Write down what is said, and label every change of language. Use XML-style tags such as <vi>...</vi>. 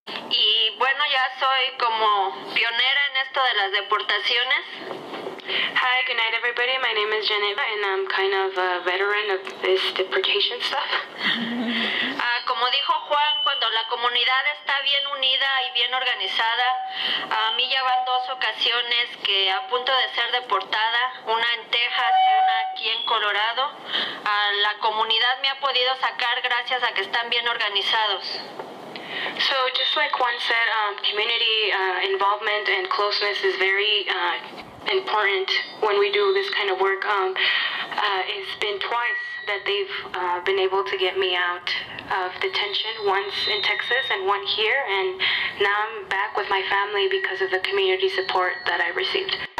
<es>Y bueno, ya soy como pionera en esto de las deportaciones.</es> <en>Hi, good night everybody. My name is Geneva and I'm kind of a veteran of this deportation stuff.</en> <es>Como dijo Juan, cuando la comunidad está bien unida y bien organizada, a mí ya van dos ocasiones que a punto de ser deportada, una en Texas y una aquí en Colorado, la comunidad me ha podido sacar gracias a que están bien organizados.</es> <en>So just like Juan said, community involvement and closeness is very important when we do this kind of work. It's been twice that they've been able to get me out of detention, once in Texas and one here, and now I'm back with my family because of the community support that I received.</en>